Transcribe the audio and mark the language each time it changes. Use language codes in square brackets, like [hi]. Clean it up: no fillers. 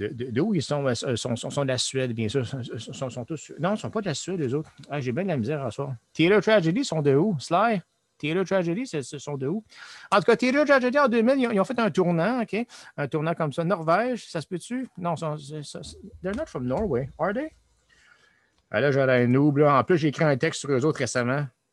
[fr] D'où ils sont? Ils sont de la Suède, bien sûr. Sont tous, non, ils ne sont pas de la Suède, eux autres. Ah, j'ai bien de la misère à soi. Theater Tragedy sont de où? Sly? Taylor Tragedy, ce sont de où? En tout cas, Taylor Tragedy, en 2000, ils ont fait un tournant, OK? Un tournant comme ça. Norvège, ça se peut-tu? [en] Non, they're not from Norway, are they? [fr] Là, j'aurais un noob. Là. En plus, j'ai écrit un texte sur eux autres récemment.